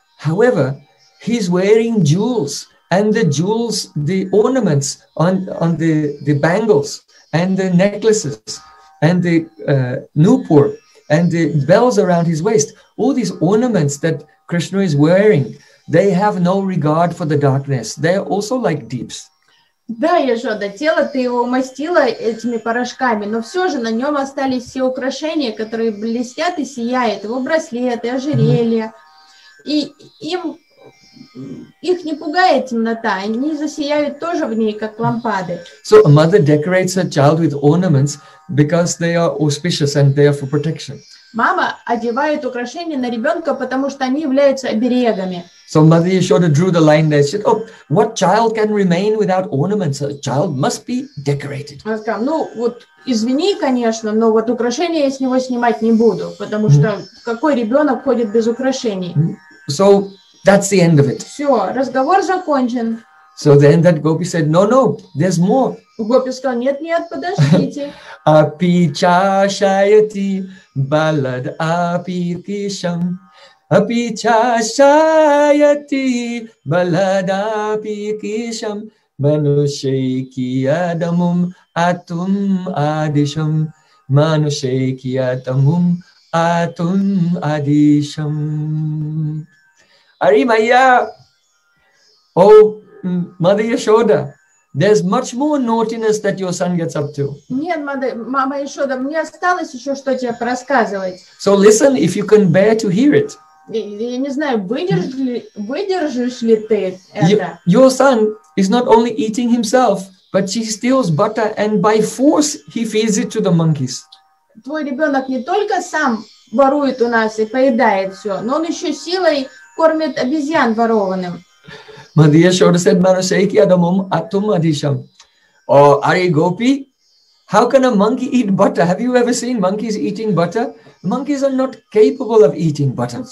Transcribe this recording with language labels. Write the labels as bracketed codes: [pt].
[en] However, he's wearing jewels, and the jewels, the ornaments on the bangles and the necklaces and the nupur and the bells around his waist, all these ornaments that Krishna is wearing, they have no regard for the darkness. They're also like deeps. [ru] Да, Яшода, тело ты его умастила этими порошками, но все же на нем остались все украшения, которые блестят и сияют, его браслеты, ожерелья. И им их не пугает темнота, они засияют тоже в ней, как лампады. [en] So a mother decorates her child with ornaments because they are auspicious and they are for protection. [ru] Мама одевает украшения на ребенка, потому что они являются оберегами. [en] So Mother Yashoda drew the line there. She said, oh, what child can remain without ornaments? A child must be decorated. [ru] Она сказала, ну вот извини, конечно, но вот украшения я с него снимать не буду, потому что какой ребенок ходит без украшений? [en] So that's the end of it. [ru] Все, разговор закончен. [en] So then that gopi said, no, no, there's more. [ru] Гопи сказал, нет, подождите. [sa] Api chashayati balad api kisham. Api chashayati balad api kisham. Manushaikiyadamum atum adisham. Manushaikiyadamum atum adisham. [en] Arimaya, oh, Mother Yashoda, there's much more naughtiness that your son gets up to. [ru] Нет, мама Яшода, мне осталось еще что тебе рассказывать. [en] So listen if you can bear to hear it. [ru] я не знаю, выдержишь ли ты это? [en] Your son is not only eating himself, but he steals butter and by force he feeds it to the monkeys. [ru] Твой ребенок не только сам ворует у нас и поедает все, но он еще силой кормит обезьян ворованным. [en] Мадия Шода said, [sa] Манусейкия дамом атум адишам. [en] Ари Гопи, how can a monkey eat butter? Have you ever seen monkeys eating butter? Monkeys are not capable of eating butter.